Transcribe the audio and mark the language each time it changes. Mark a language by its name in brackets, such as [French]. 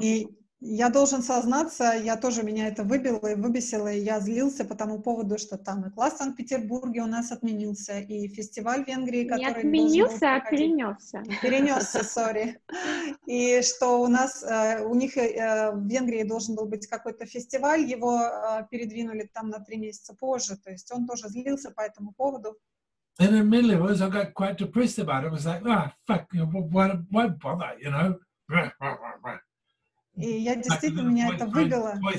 [Russian] И я должен сознаться, я тоже, меня это выбило и выбесило, и я злился по тому поводу, что там и класс в Санкт-Петербурге у нас отменился, и фестиваль в Венгрии, который... Не отменился, а перенесся. Перенесся, сори. И что у нас, у них в Венгрии должен был быть какой-то фестиваль, его передвинули там на 3 месяца позже, то есть он тоже злился по этому поводу. [English] And in the middle of it, I got quite depressed about it. I was like, ah, oh, fuck, why bother, you know? [Russian] И я действительно, меня это выбило.